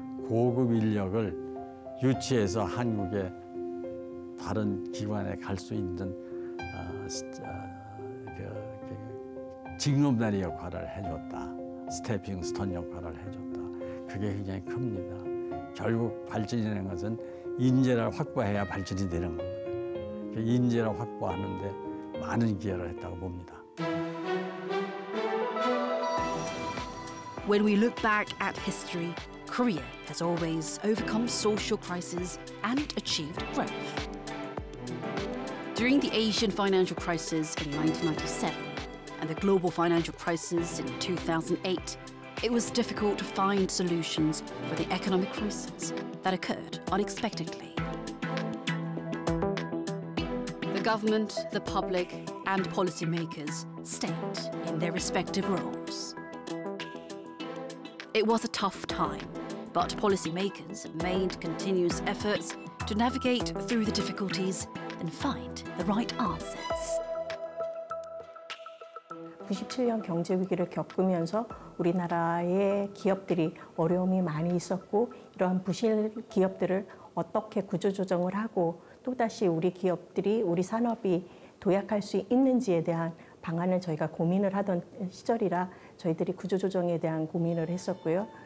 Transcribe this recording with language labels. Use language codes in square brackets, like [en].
[ko] 고급 인력을 유치해서 한국의 다른 기관에 갈 수 있는 직업단의 역할을 해줬다. 스태핑 스톤 역할을 해줬다. 그게 굉장히 큽니다. 결국 발전이라는 것은 인재를 확보해야 발전이 되는 겁니다. 그 인재를 확보하는데 많은 기여를 했다고 봅니다. [en] When we look back at history, Korea has always overcome social crises and achieved growth. During the Asian financial crisis in 1997 and the global financial crisis in 2008, it was difficult to find solutions for the economic crisis that occurred unexpectedly. The government, the public, and policymakers stayed in their respective roles. It was a tough time, but policymakers made continuous efforts to navigate through the difficulties and find the right answers. [ko] 97년 경제 위기를 겪으면서 우리나라의 기업들이 어려움이 많이 있었고, 이러한 부실 기업들을 어떻게 구조조정을 하고 또다시 우리 기업들이 우리 산업이 도약할 수 있는지에 대한 방안을 저희가 고민을 하던 시절이라 저희들이 구조조정에 대한 고민을 했었고요.